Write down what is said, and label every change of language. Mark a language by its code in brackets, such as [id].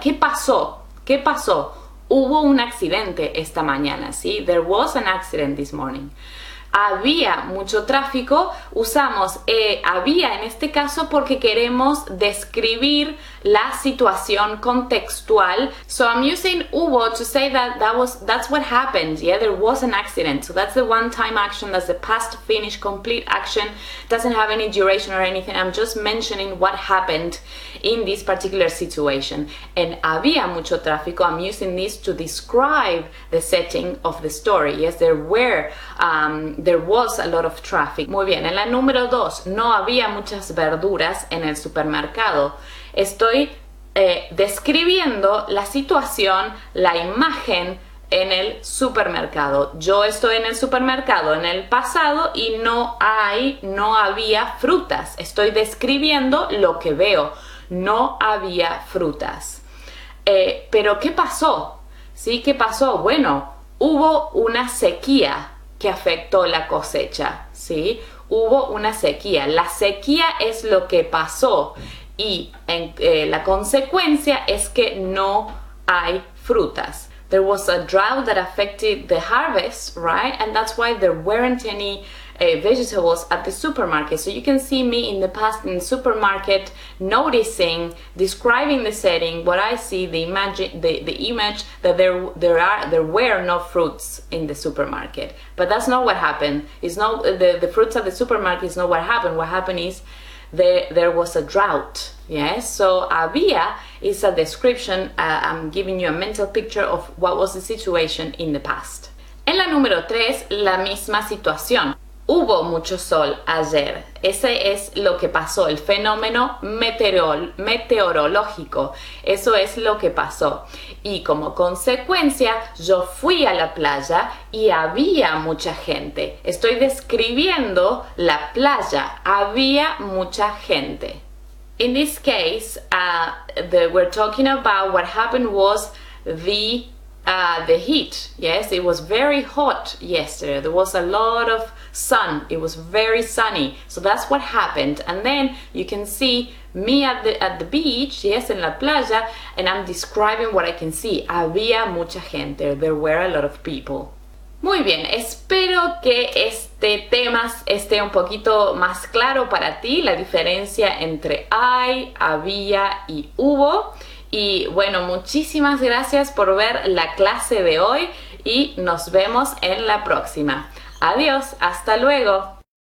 [es] ¿Qué pasó? ¿Qué pasó? Hubo un accidente esta mañana, ¿sí? [en] There was an accident this morning. Había mucho tráfico. [es] Usamos había en este caso porque queremos describir la situación contextual. [en] So I'm using hubo to say that's what happened. Yeah, there was an accident. So that's the one-time action, that's the past finished complete action. Doesn't have any duration or anything. I'm just mentioning what happened in this particular situation. And había mucho tráfico. I'm using this to describe the setting of the story. Yes, there was a lot of traffic. [es] Muy bien, en la número 2, no había muchas verduras en el supermercado. Estoy describiendo la situación, la imagen en el supermercado. Yo estoy en el supermercado en el pasado y no había frutas. Estoy describiendo lo que veo. No había frutas. Pero ¿qué pasó? ¿Sí? ¿Qué pasó? Bueno, hubo una sequía que afectó la cosecha, ¿sí? Hubo una sequía. La sequía es lo que pasó y la consecuencia es que no hay frutas. [en] there was a drought that affected the harvest, right? And that's why there weren't any vegetables at the supermarket. So you can see me in the past in the supermarket noticing, describing the setting, what I see, the image that there were no fruits in the supermarket. But that's not what happened. It's not the fruits at the supermarket is not what happened. What happened is there was a drought. Yes, so había is a description. I'm giving you a mental picture of what was the situation in the past. [es] En la número 3, la misma situación. Hubo mucho sol ayer. Ese es lo que pasó, el fenómeno meteorológico. Eso es lo que pasó. Y como consecuencia, yo fui a la playa y había mucha gente. Estoy describiendo la playa. Había mucha gente. [en] In this case, we're talking about what happened was the heat. Yes, it was very hot yesterday. There was a lot of sun. It was very sunny. So that's what happened. And then you can see me at the beach, yes, en la playa, and I'm describing what I can see. Había mucha gente. There were a lot of people. [es] Muy bien, espero que este tema esté un poquito más claro para ti, la diferencia entre hay, había y hubo. Y bueno, muchísimas gracias por ver la clase de hoy y nos vemos en la próxima. Adiós, hasta luego.